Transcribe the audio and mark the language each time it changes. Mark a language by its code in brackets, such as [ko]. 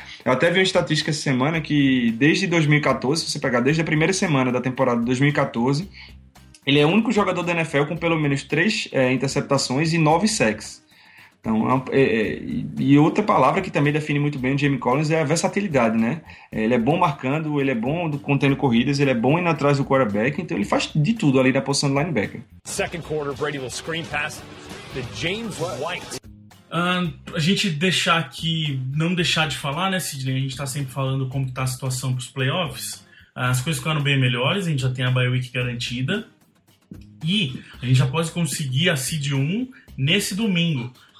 [pt] Eu até vi uma estatística essa semana que desde 2014, se você pegar desde a primeira semana da temporada de 2014, ele é o único jogador da NFL com pelo menos 3 interceptações e 9 sacks. Então, e outra palavra que também define muito bem o Jamie Collins é a versatilidade, né? Ele é bom marcando, ele é bom contendo corridas, ele é bom indo atrás do quarterback, então ele faz de tudo ali na posição do linebacker. [en] Second quarter, Brady will screen pass to James White. [pt] A gente deixar aqui, não deixar de falar, né, Sidney? A gente tá sempre falando como que tá a situação pros playoffs. As coisas ficaram bem melhores, a gente já tem a bye week garantida. E a gente já pode conseguir a seed 1 nesse domingo.